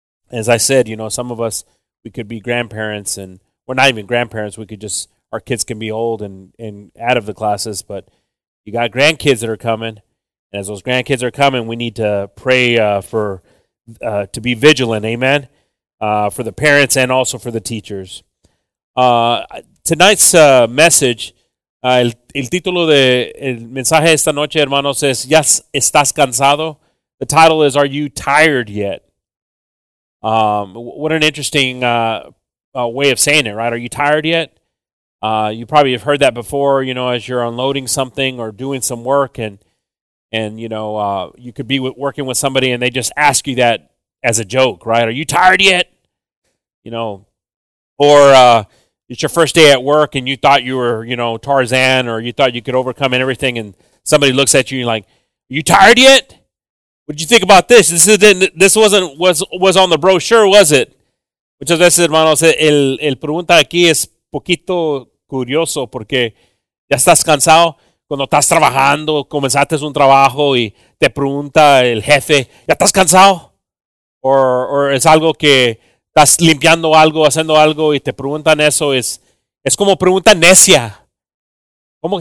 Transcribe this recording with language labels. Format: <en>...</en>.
<en>As I said, you know, some of us, we could be grandparents, and we're not even grandparents. We could just, our kids can be old and out of the classes, but you got grandkids that are coming. And as those grandkids are coming, we need to pray to be vigilant. Amen. For the parents and also for the teachers. Tonight's message,</en> <es>el título de el mensaje esta noche, hermanos, es ¿Ya estás cansado?</es> <en>The title is Are You Tired Yet? What an interesting way of saying it, right? Are you tired yet? You probably have heard that before, you know, as you're unloading something or doing some work, and you know, you could be working with somebody and they just ask you that as a joke, right? Are you tired yet? You know, or it's your first day at work and you thought you were, you know, Tarzan, or you thought you could overcome everything, and somebody looks at you and you're like, are you tired yet? What did you think about this? This wasn't on the brochure, was it?</en> <es>Muchas veces, hermanos, el pregunta aquí es poquito curioso porque ya estás cansado. Cuando estás trabajando, comenzaste un trabajo y te pregunta el jefe, ¿ya estás cansado?</es> <en>Or</en> <es>es algo que estás limpiando algo, haciendo algo, y te preguntan eso, es como pregunta necia. ¿Cómo?</es>